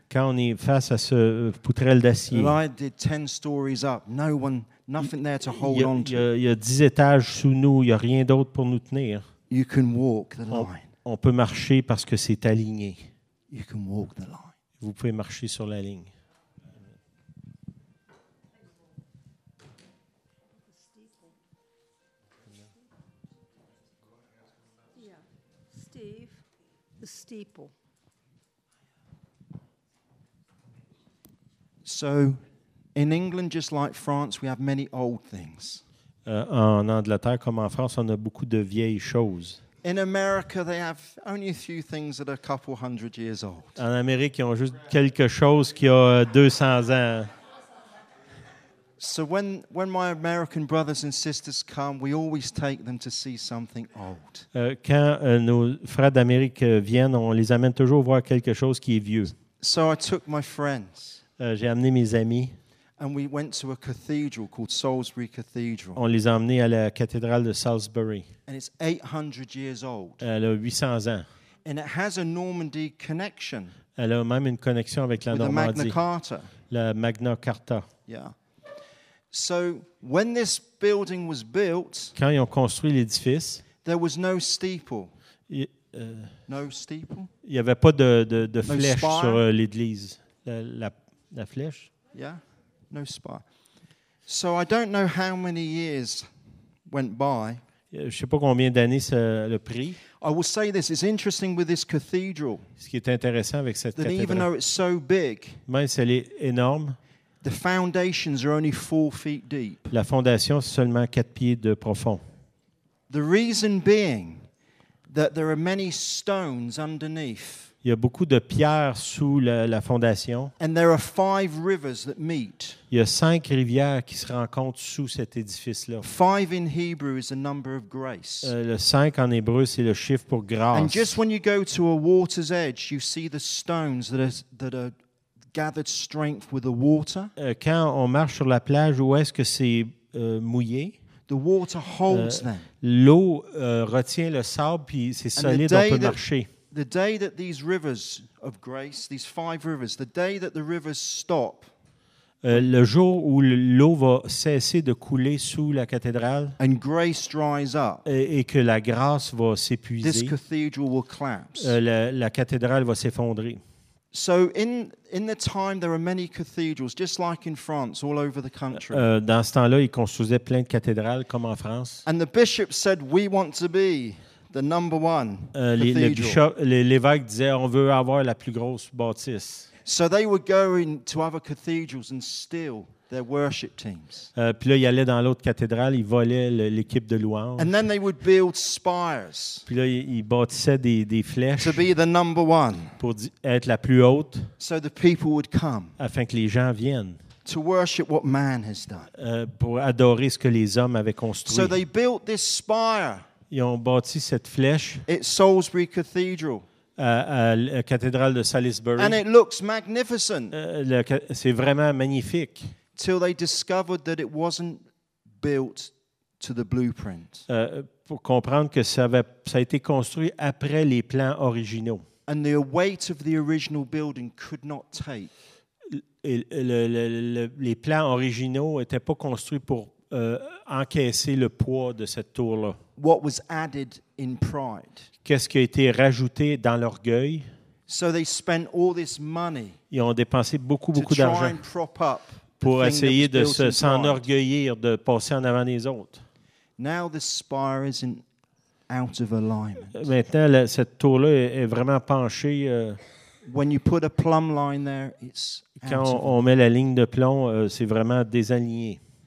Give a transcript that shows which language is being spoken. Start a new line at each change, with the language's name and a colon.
French: quand on est face à ce poutrelle d'acier,
English: Elijah did 10 stories up. No one, nothing there to hold on to.
French: Il y a 10 étages sous nous. Il y a rien d'autre pour nous tenir.
English: You can walk the line.
French: On peut marcher parce que c'est aligné.
English: You can walk the line.
French: Vous pouvez marcher sur la ligne.
English: Yeah. Steve, the steeple. So, in England, just like France, we have many old things.
French: En Angleterre, comme en France, on a beaucoup de vieilles choses.
English: In America, they have only a few things that are a couple hundred years old.
French: En Amérique, ils ont juste quelque chose qui a 200 ans.
English: So when my American brothers and sisters come, we always take them to see something old.
French: Quand nos frères d'Amérique viennent, on les amène toujours voir quelque chose qui est vieux.
English: So I took my friends.
French: J'ai amené mes amis.
English: And we went to a cathedral called Salisbury Cathedral.
French: On les a emmenés à la cathédrale de Salisbury.
English: And it's 800 years old.
French: Elle a 800 ans.
English: And it has a Normandy connection.
French: Elle a même une connexion avec la Normandie.
English: With the Magna Carta.
French: La Magna Carta.
English: Yeah. So when this building was built,
French: quand ils ont construit l'édifice,
English: there was no steeple. No steeple.
French: Il y avait pas de
English: no
French: flèche
English: spire?
French: Sur l'église. La flèche.
English: Yeah. No spire. So I don't know how many years went by.
French: Je sais pas combien d'années ça a pris.
English: I will say this: it's interesting with this cathedral.
French: Ce qui est intéressant avec cette cathédrale.
English: That even though it's so big,
French: même si elle est énorme,
English: the foundations are only 4 feet deep.
French: La fondation c'est seulement 4 pieds de profond.
English: The reason being that there are many stones underneath.
French: Il y a beaucoup de pierres sous la fondation.
English: And there are 5 rivers that meet.
French: Il y a 5 rivières qui se rencontrent sous cet édifice-là.
English: 5 in Hebrew is the number of grace.
French: Le 5 en hébreu, c'est le chiffre pour grâce.
English: And just when you go to a water's edge, you see the stones that are gathered strength with the water.
French: Quand on marche sur la plage, où est-ce que c'est mouillé?
English: The water holds them.
French: L'eau retient le sable, puis c'est solide, on peut marcher.
English: The day that these rivers of grace, these 5 rivers, the day that the rivers stop,
French: le jour où l'eau va cesser de couler sous la cathédrale,
English: and grace dries up,
French: et que la grâce va s'épuiser,
English: this cathedral will collapse.
French: La cathédrale va s'effondrer.
English: So in the time there are many cathedrals, just like in France, all over the country.
French: Dans ce temps-là, ils construisaient plein de cathédrales comme en France.
English: And the bishop said, "We want to be." The number one
French: l'évêque disait, on veut avoir la plus grosse bâtisse.
English: So they would go into other cathedrals and steal their worship teams.
French: Puis là, ils allaient dans l'autre cathédrale, ils volaient l'équipe de louange.
English: And then they would build spires.
French: Puis là, ils bâtissaient des flèches.
English: To be the number one.
French: Pour être la plus haute.
English: So the people would come.
French: Afin que les gens viennent.
English: To worship what man has done.
French: Pour adorer ce que les hommes avaient construit.
English: So they built this spire.
French: Ils ont bâti cette flèche.
English: It's Salisbury Cathedral.
French: À la cathédrale de Salisbury.
English: And it looks magnificent.
French: C'est vraiment magnifique.
English: Till they discovered that it wasn't built to the blueprint.
French: Pour comprendre que ça a été construit après les plans originaux.
English: And the weight of the original building could not take.
French: Les plans originaux n'étaient pas construits pour encaisser le poids de cette tour-là.
English: What was added in pride?
French: Qu'est-ce qui a été rajouté dans l'orgueil?
English: So they spent all this money.
French: Ils ont dépensé beaucoup d'argent pour essayer de s'enorgueillir de passer en avant des autres.
English: Now the spire isn't out of alignment.
French: Maintenant, cette tour-là est vraiment penchée.
English: When you put a plumb line there, it's
French: quand on met la ligne de plomb, c'est vraiment désaligné.